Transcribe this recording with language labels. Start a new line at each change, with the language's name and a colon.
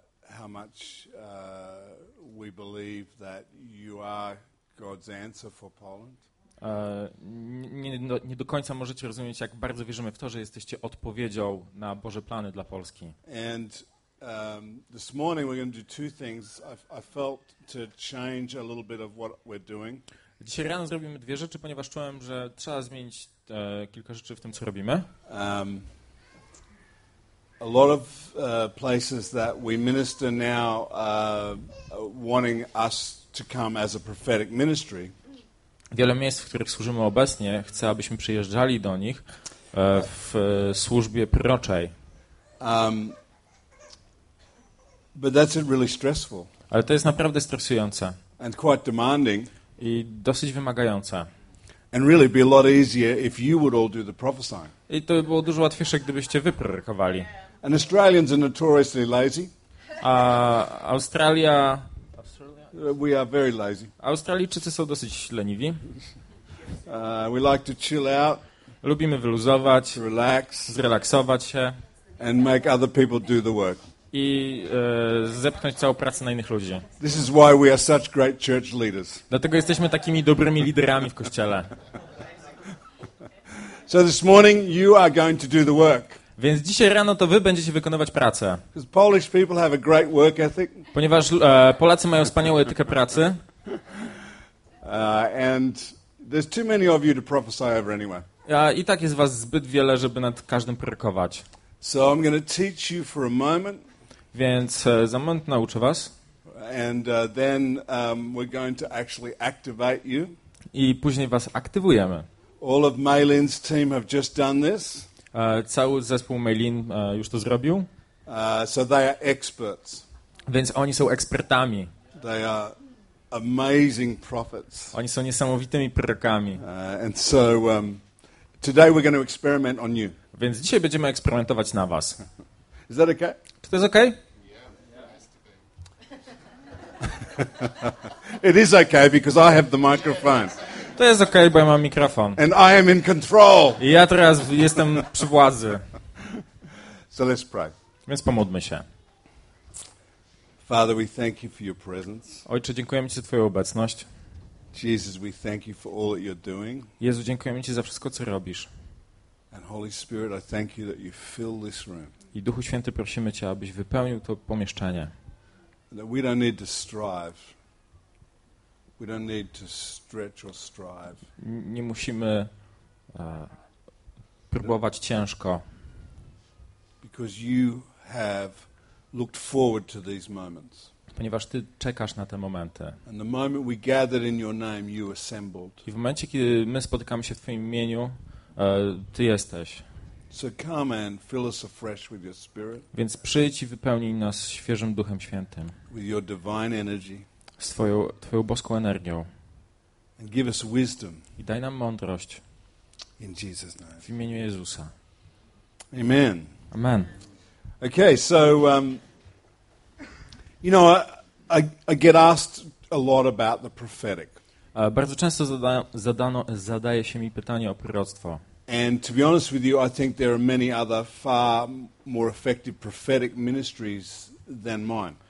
English: How much we believe that you are God's answer for Poland.
Polish: Nie do końca możecie rozumieć, jak bardzo wierzymy w to, że jesteście odpowiedzią na Boże plany dla Polski.
English: And this morning we're going to do two things. I felt to change a little bit of what we're doing.
Polish: Dzisiaj rano zrobimy dwie rzeczy, ponieważ czułem, że trzeba zmienić kilka rzeczy w tym, co robimy.
English: A lot of places that we minister now wanting us to come as a prophetic ministry.
Polish: Wiele miejsc, w których służymy obecnie, chcę, abyśmy przyjeżdżali do nich w służbie proroczej.
English: But that's really stressful.
Polish: Ale to jest naprawdę stresujące.
English: And quite demanding.
Polish: I dosyć wymagające.
English: And really be a lot easier if you would all do the prophesying.
Polish: I to by było dużo łatwiejsze, gdybyście wy prorokowali.
English: And Australians are notoriously lazy.
Polish: Australia.
English: We are very lazy.
Polish: Australijczycy są dosyć leniwi.
English: We like to chill out.
Polish: Lubimy wyluzować.
English: Relax.
Polish: Zrelaksować się.
English: And make other people do the work.
Polish: I zepchnąć całą pracę na innych ludzi.
English: This is why we are such great church leaders.
Polish: Dlatego jesteśmy takimi dobrymi liderami w kościele.
English: So this morning you are going to do the work.
Polish: Więc dzisiaj rano to wy będziecie wykonywać pracę.
English: Polish people have a great work ethic.
Polish: Ponieważ Polacy mają wspaniałą etykę pracy.
English: And there's too many of you to prophesy over anyway.
Polish: I tak jest was zbyt wiele, żeby nad każdym prorokować.
English: So I'm going to teach you for a moment.
Polish: Więc za moment nauczę was.
English: And then we're going to actually activate you.
Polish: I później was aktywujemy.
English: All of Maylin's team have just done this.
Polish: Cały zespół Maylin już to zrobił.
English: So they are experts.
Polish: Więc oni są ekspertami.
English: They are amazing prophets.
Polish: Oni są niesamowitymi prorokami.
English: And so today we're going to experiment on you.
Polish: Więc dzisiaj będziemy eksperymentować na was.
English: Is that okay?
Polish: Czy to jest okay?
English: Yeah. It is okay because I have the microphone.
Polish: To jest okay, bo ja mam mikrofon.
English: And I am in control.
Polish: I ja teraz jestem przy władzy.
English: So let's pray.
Polish: Więc pomódlmy się.
English: Father, we thank you for your presence.
Polish: Ojcze, dziękujemy ci za twoją obecność.
English: Jesus, we thank you for all that you're doing.
Polish: Jezu, dziękujemy ci za wszystko, co robisz.
English: And Holy Spirit, I thank you that you fill this room.
Polish: I Duchu Święty, prosimy Cię, abyś wypełnił to pomieszczenie.
English: We don't need to strive. We don't need to stretch or strive.
Polish: Nie musimy próbować ciężko.
English: Because you have looked forward to these moments.
Polish: Ponieważ Ty czekasz na te momenty.
English: And the moment we gathered in your name, you assembled.
Polish: I w momencie, kiedy my spotykamy się w Twoim imieniu, Ty jesteś.
English: So come and fill us afresh with your spirit.
Polish: Więc przyjdź i wypełnij nas świeżym Duchem Świętym.
English: With your divine energy.
Polish: Z twoją boską energią.
English: And give us wisdom.
Polish: I daj nam mądrość.
English: In Jesus' name.
Polish: W imieniu Jezusa.
English: Amen.
Polish: Amen.
English: Okay, so you know, I get asked a lot about the prophetic.
Polish: Bardzo często zadaje się mi pytanie o proroctwo.
English: And to be honest with you, I think there are many other far more effective prophetic ministries than mine.